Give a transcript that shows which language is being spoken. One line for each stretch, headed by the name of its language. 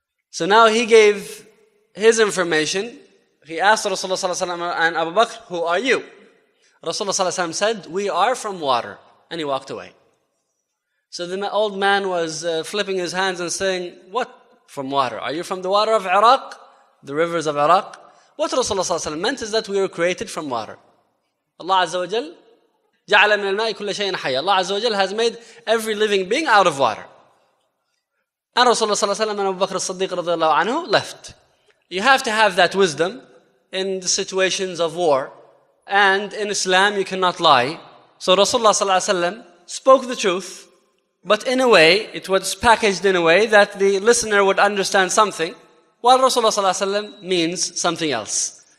English: So now he gave his information. He asked Rasulullah sallallahu alayhi wa sallam and Abu Bakr, "Who are you?" Rasulullah sallallahu alayhi wa sallam said, "We are from water." And he walked away. So the old man was flipping his hands and saying, "What from water? Are you from the water of Iraq? The rivers of Iraq?" What Rasulullah sallallahu alayhi wa sallam meant is that we were created from water.
Arabic: Allah Azza wa Jal, جَعْلَ مِنَ الْمَاءِ كُلَّ شَيْءٍ حَيَّ.
English: Allah Azza wa Jal has made every living being out of water. And Rasulullah sallallahu alayhi wa sallam and Abu Bakr as-Siddiq radiallahu anhu left. You have to have that wisdom in the situations of war. And in Islam, you cannot lie. So Rasulullah sallallahu alayhi wa sallam spoke the truth, but in a way, it was packaged in a way that the listener would understand something, while Rasulullah sallallahu alayhi wa sallam means something else.